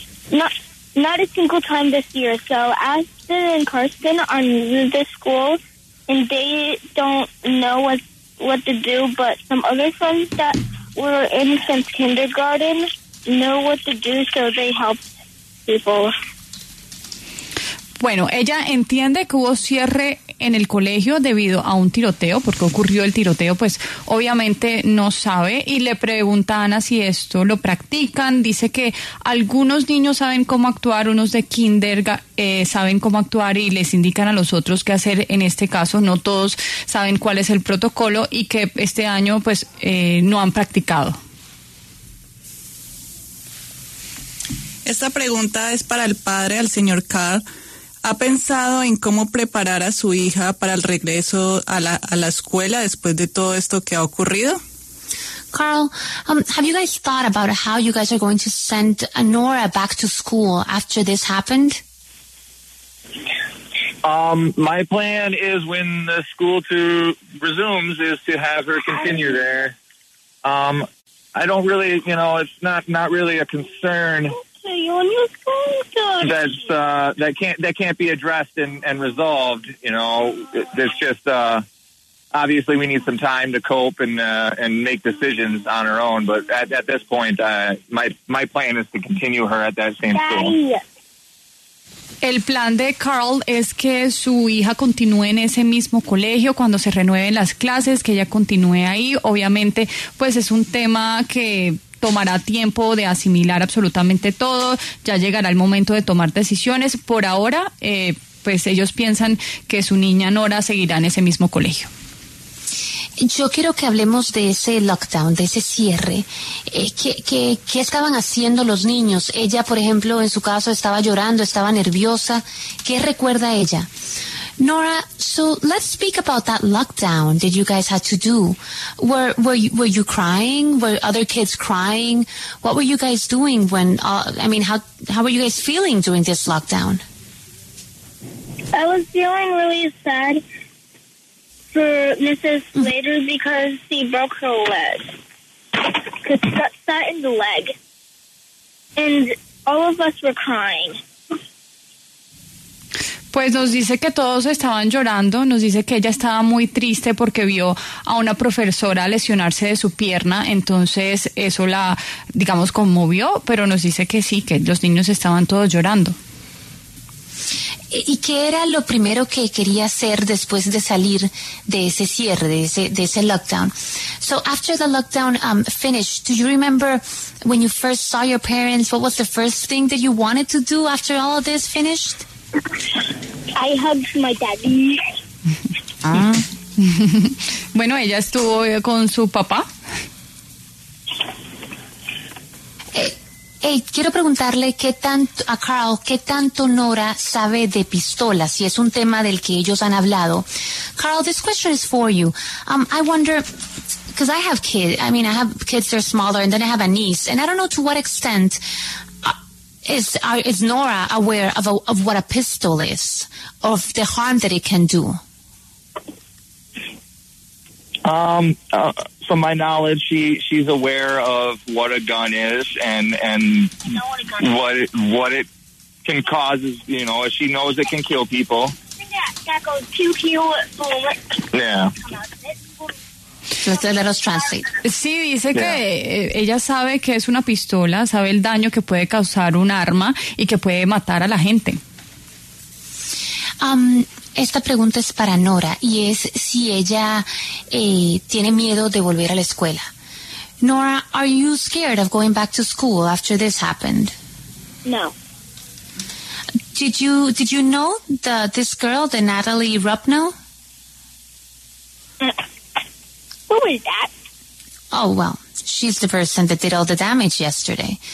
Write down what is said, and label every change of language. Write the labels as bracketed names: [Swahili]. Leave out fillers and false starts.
[English] Not a single time this year. So Aston and Carson are new to this school, and they don't know what to do, but some other friends that were in since kindergarten know what to do, so they helped people. [Spanish] Bueno, ella entiende que hubo cierre en el colegio debido a un tiroteo, porque ocurrió el tiroteo, pues obviamente no sabe, y le pregunta a Ana si esto lo practican. Dice que algunos niños saben cómo actuar, unos de kinder saben cómo actuar y les indican a los otros qué hacer en este caso. No todos saben cuál es el protocolo y que este año pues no han practicado. Esta pregunta es para el padre, al señor Carr. ¿Ha pensado en cómo preparar a su hija para el regreso a la escuela después de todo esto que ha ocurrido? [English] Carl, have you guys thought about how you guys are going to send Nora back to school after this happened? My plan is when the school resumes is to have her continue there. I don't really, you know, it's not really a concern. That can't be addressed and resolved. You know, it's just obviously we need some time to cope and make decisions on our own. But at this point, my plan is to continue her at that same school. [Spanish] El plan de Carl es que su hija continúe en ese mismo colegio cuando se renueven las clases, que ella continúe ahí. Obviamente, pues es un tema que tomará tiempo de asimilar absolutamente todo. Ya llegará el momento de tomar decisiones. Por ahora, pues ellos piensan que su niña Nora seguirá en ese mismo colegio. Yo quiero que hablemos de ese lockdown, de ese cierre. ¿Qué estaban haciendo los niños? Ella, por ejemplo, en su caso estaba llorando, estaba nerviosa. ¿Qué recuerda ella? [English] Nora, so let's speak about that lockdown that you guys had to do. Were you crying? Were other kids crying? What were you guys doing when how were you guys feeling during this lockdown? I was feeling really sad for Mrs. Slater because she broke her leg. Cut in the leg. And all of us were crying. [Spanish] Pues nos dice que todos estaban llorando, nos dice que ella estaba muy triste porque vio a una profesora lesionarse de su pierna, entonces eso la, digamos, conmovió, pero nos dice que sí, que los niños estaban todos llorando. ¿Y qué era lo primero que quería hacer después de salir de ese cierre, de ese lockdown? [English] So after the lockdown finished, do you remember when you first saw your parents, what was the first thing that you wanted to do after all of this finished? I hugged my daddy. [Spanish] Ah. Bueno, ella estuvo con su papá. Hey, quiero preguntarle qué tanto a Carl, qué tanto Nora sabe de pistolas, si es un tema del que ellos han hablado. [English] Carl, this question is for you. I wonder, because I have kids. I mean, I have kids that are smaller, and then I have a niece, and I don't know to what extent is Nora aware of what a pistol is, of the harm that it can do. From my knowledge, she's aware of what a gun is and what it can cause. You know, she knows it can kill people. Let's translate. [Spanish] Sí, dice que ella sabe que es una pistola, sabe el daño que puede causar un arma y que puede matar a la gente. Esta pregunta es para Nora y es si ella tiene miedo de volver a la escuela. [English] Nora, are you scared of going back to school after this happened? No. Did you know this girl, the Natalie Rupnell? Who is that? Oh, well, she's the person that did all the damage yesterday.